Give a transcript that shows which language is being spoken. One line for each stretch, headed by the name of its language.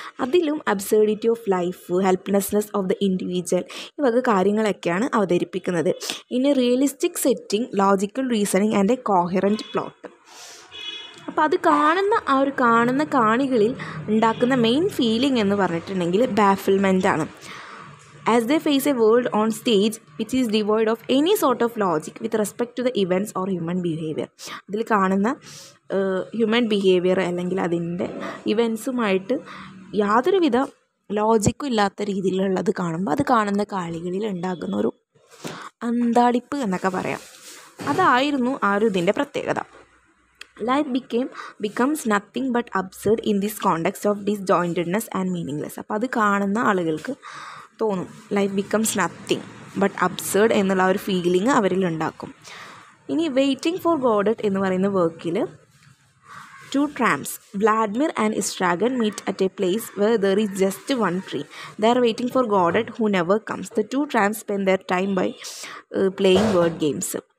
Malayalam: അതിലും
English: absurdity of life, helplessness of the individual,
Malayalam: ഇവക കാര്യങ്ങളൊക്കെയാണ് അവതരിപ്പിക്കുന്നത്.
English: ഇനി realistic setting, logical reasoning and a coherent plot.
Malayalam: അപ്പോൾ അത് കാണുന്ന ആ ഒരു കാണുന്ന കാണികളിൽ ഉണ്ടാക്കുന്ന മെയിൻ ഫീലിംഗ് എന്ന് പറഞ്ഞിട്ടുണ്ടെങ്കിൽ ബാഫിൽമെൻ്റ് ആണ്.
English: as they face a world on stage which is devoid of any sort of logic with respect to the events or human behavior.
Malayalam: ഇതിൽ കാണുന്ന ഹ്യൂമൻ ബിഹേവിയർ അല്ലെങ്കിൽ അതിൻ്റെ ഇവൻസുമായിട്ട് യാതൊരുവിധ ലോജിക്കും ഇല്ലാത്ത രീതിയിലുള്ളത് കാണുമ്പോൾ അത് കാണുന്ന കാളികളിൽ ഉണ്ടാകുന്ന ഒരു അന്താളിപ്പ് എന്നൊക്കെ പറയാം. അതായിരുന്നു ആ ഒരു ഇതിൻ്റെ പ്രത്യേകത.
English: Life becomes nothing but absurd in this context of disjointedness and meaninglessness.
Malayalam: അപ്പോൾ അത് കാണുന്ന ആളുകൾക്ക് തോന്നും
English: life becomes nothing but absurd
Malayalam: എന്നുള്ള ഒരു ഫീലിംഗ് അവരിലുണ്ടാക്കും. ഇനി വെയ്റ്റിംഗ് ഫോർ ഗോഡട്ട് എന്ന് പറയുന്ന വർക്കിൽ
English: two tramps, Vladimir and Istragan, meet at a place where there is just one tree. They are waiting for Godot, who never comes. The two tramps spend their time by playing word games.